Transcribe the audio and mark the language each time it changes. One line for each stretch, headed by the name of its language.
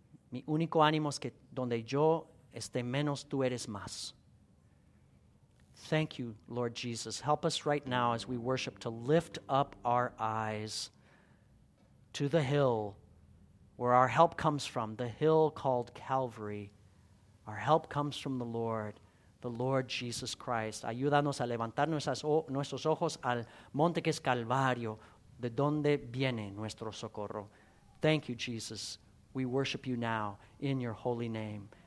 Spanish: Mi único ánimo es que donde yo esté menos, tú eres más.
English: Thank you, Lord Jesus. Help us right now as we worship to lift up our eyes to the hill where our help comes from, the hill called Calvary. Our help comes from the Lord Jesus Christ.
Spanish: Ayúdanos a levantar nuestros ojos al monte que es Calvario, de donde viene nuestro socorro.
English: Thank you, Jesus. We worship you now in your holy name.